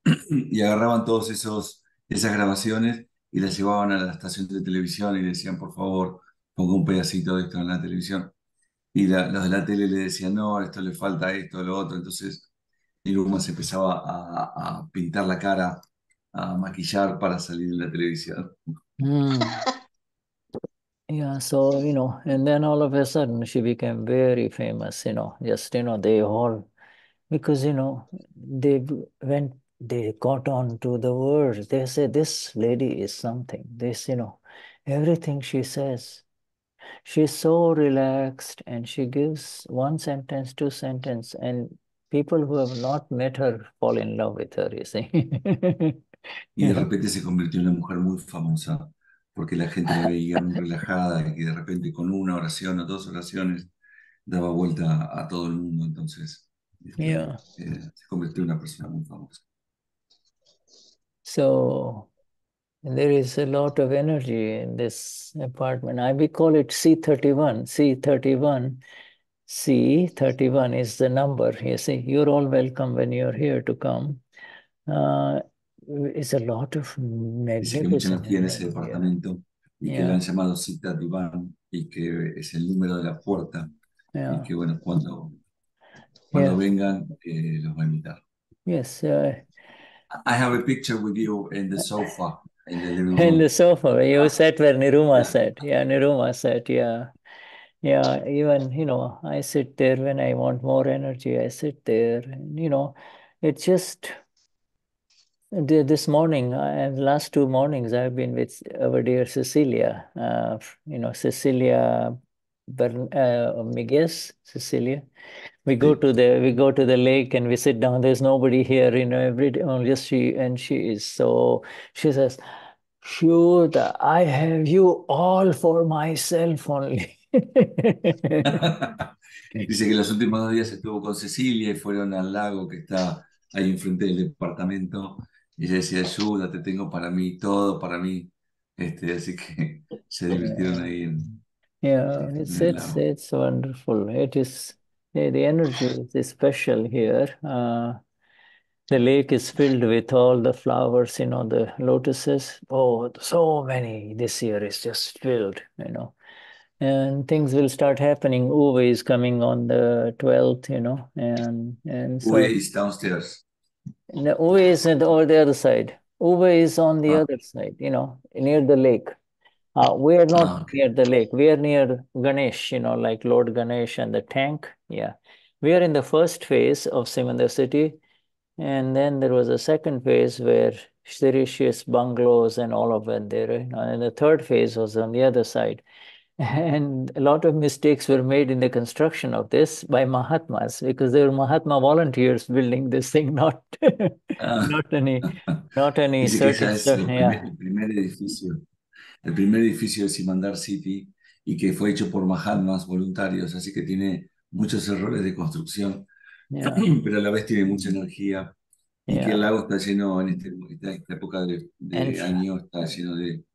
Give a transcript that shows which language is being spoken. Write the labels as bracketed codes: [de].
[es] Y agarraban todos esas grabaciones y las llevaban a la estación de televisión y le decían, por favor, ponga un pedacito de esto en la televisión. Y los de la tele le decían, no, esto le falta esto, lo otro. Entonces, Niruma se empezaba a pintar la cara, a maquillar para salir en la televisión. [en] Yeah, so, you know, and then all of a sudden she became very famous, you know, just, you know, they all, because, you know, they got on to the words. They said, this lady is something. This, you know, everything she says, she's so relaxed, and she gives one sentence, two sentence, and people who have not met her fall in love with her, you see. [es] Y de repente se convirtió en una mujer muy famosa, porque la gente la veía muy relajada y de repente con una oración o dos oraciones daba vuelta a todo el mundo. Entonces, se convirtió en una persona muy famosa. [en] So, there is a lot of energy in this apartment. We call it C31. C31. C31 is the number. You see, you're all welcome when you're here to come. It's a lot of [es] Dice que mucha energía en ese departamento y que lo han llamado Cita Diván y que es el número de la puerta y que, bueno, cuando vengan, los va a invitar. [en] Yes. I have a picture with you in the sofa, in the living room. In the sofa, you sat where Niruma sat. Yeah, Niruma sat, yeah. Yeah, even, you know, I sit there when I want more energy, I sit there. And, you know, it's just... This morning and last two mornings, I've been with our dear Cecilia, you know, Cecilia Miguez, Cecilia. We go to the lake and we sit down. There's nobody here, you know, every day, only she, and she is so, she says, Shuddha, I have you all for myself only. [es] Dice que los últimos 2 días estuvo con Cecilia y fueron al lago que está ahí enfrente del departamento. Y ella decía, ayuda, te tengo para mí, todo para mí. Así que se divirtieron ahí en el lago. [en] It's wonderful. It is the energy is special here. The lake is filled with all the flowers, you know, the lotuses. Oh, so many this year is just filled, you know. And things will start happening. Uwe is coming on the 12th, you know, and Uwe so is downstairs. Uwe is on the other side. Uwe is on the other side, you know, near the lake. We are not Okay. near the lake. We are near Ganesh, you know, like Lord Ganesh and the tank. Yeah. We are in the first phase of Simandar City. And then there was a second phase where Shirish's bungalows and all of that there. You know, and the third phase was on the other side. And a lot of mistakes were made in the construction of this by Mahatmas because they were Mahatma volunteers building this thing, not any [es] Dice que ese [en] certain [es] es [en] stuff. Yeah. [es] el primer edificio de Simandar City y que fue hecho por Mahatmas voluntarios, así que tiene muchos errores de construcción, [en] Yeah. [es] pero a la vez tiene mucha energía y que el [en] Yeah. [es] lago está lleno esta época de año, está lleno de